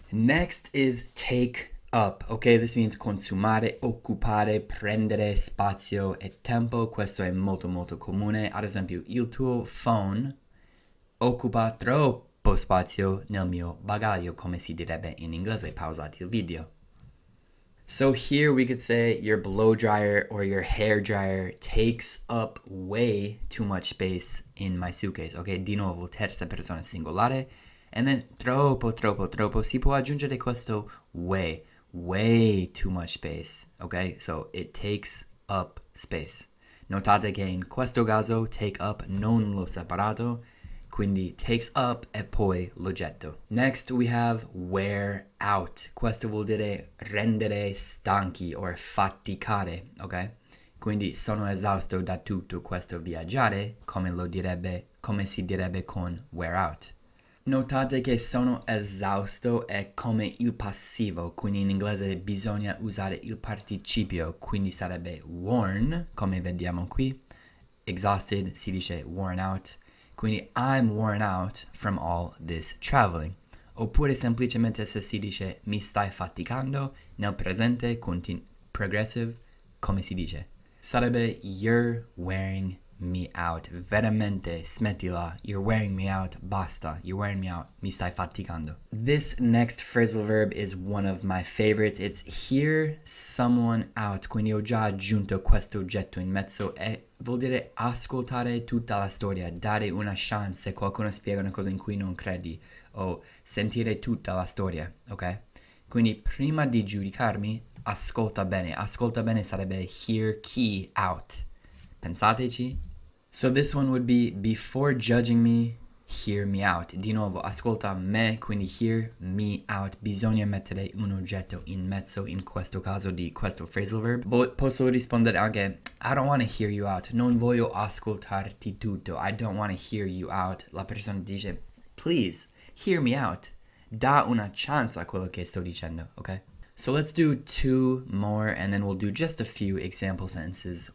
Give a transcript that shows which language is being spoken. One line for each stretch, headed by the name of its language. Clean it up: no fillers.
English: Next is take up. Ok, this means
Italian: consumare, occupare, prendere spazio e tempo. Questo è molto molto comune. Ad esempio, il tuo phone occupa troppo spazio nel mio bagaglio, come si direbbe in inglese. Pausate il video.
English: So here we could say your blow dryer or your hair dryer takes up way too much space in my suitcase.
Italian: Ok, di nuovo, terza persona singolare.
English: And then
Italian: troppo, troppo, troppo, si può aggiungere questo
English: way, way too much space. Ok, so it takes up space.
Italian: Notate che in questo caso take up non l'ho separato, quindi takes up e poi l'oggetto.
English: Next we have wear out.
Italian: Questo vuol dire rendere stanchi o faticare, ok? Quindi sono esausto da tutto questo viaggiare, come si direbbe con wear out. Notate che sono esausto è come il passivo, quindi in inglese bisogna usare il participio, quindi sarebbe worn, come vediamo qui. Exhausted si dice worn out.
English: Quindi, I'm worn out from all this traveling.
Italian: Oppure, semplicemente, se si dice, mi stai faticando, nel presente, progressive, come si dice? Sarebbe,
English: you're wearing me out.
Italian: Veramente, smettila.
English: You're wearing me out.
Italian: Basta.
English: You're wearing me out.
Italian: Mi stai faticando.
English: This next phrasal verb is one of my favorites. It's hear someone out.
Italian: Quindi, ho già aggiunto questo oggetto in mezzo e vuol dire ascoltare tutta la storia, dare una chance se qualcuno spiega una cosa in cui non credi, o sentire tutta la storia, ok? Quindi prima di giudicarmi, ascolta bene sarebbe hear key out, pensateci.
English: So this one would be, before judging me, hear me out.
Italian: Di nuovo, ascolta me, quindi hear me out. Bisogna mettere un oggetto in mezzo in questo caso di questo phrasal verb. Posso rispondere anche,
English: I don't want to hear you out.
Italian: Non voglio ascoltarti tutto.
English: I don't want to hear you out.
Italian: La persona dice,
English: please, hear me out.
Italian: Da una chance a quello che sto dicendo, okay?
English: So let's do two more and then we'll do just a few example sentences.